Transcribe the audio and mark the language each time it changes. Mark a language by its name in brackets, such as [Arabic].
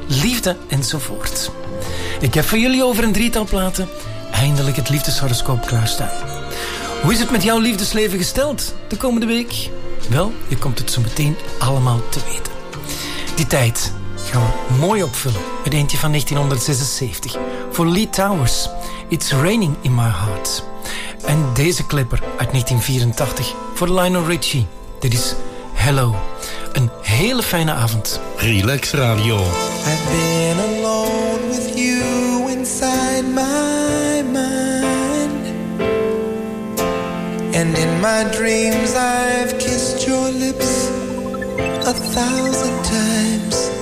[Dutch] Liefde enzovoort. Ik heb voor jullie over een drietal platen eindelijk het liefdeshoroscoop klaarstaan. Hoe is het met jouw liefdesleven gesteld de komende week? Wel, je komt het zo meteen allemaal te weten. Die tijd gaan we mooi opvullen met eentje van 1976. Voor Lee Towers, It's Raining in My Heart. En deze clipper uit 1984 voor Lionel Richie. Dit is Hello. Een hele fijne avond. Relax Radio. [English] I've been alone with you inside my mind. And in my dreams I've kissed your lips a thousand times.